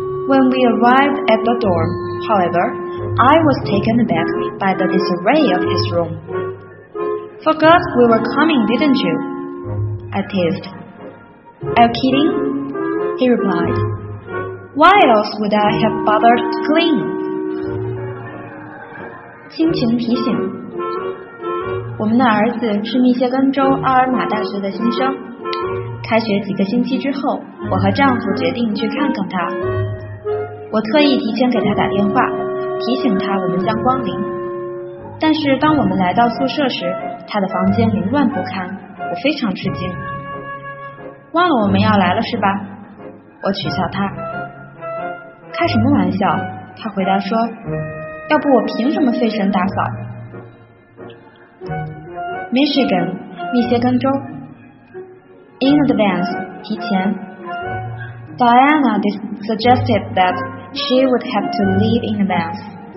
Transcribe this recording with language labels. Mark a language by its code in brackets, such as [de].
[en] When we arrived at the dorm, however, I was taken aback by the disarray of his room. Forgot we were coming, didn't you? I teased. Are you kidding? He replied. Why else would I have bothered to clean? [zh] 亲情提醒我们的儿子是密歇根州奥尔玛大学的新生。开学几个星期之后，我和丈夫决定去看看他。我特意提前给他打电话，提醒他我们将光临。但是当我们来到宿舍时，他的房间凌乱不堪，我非常吃惊。忘了我们要来了是吧？我取笑他。开什么玩笑？他回答说，要不我凭什么费神打扫？ [en] Michigan, 密歇根州 In advance, 提前 Diana suggested that she would have to leave in advance.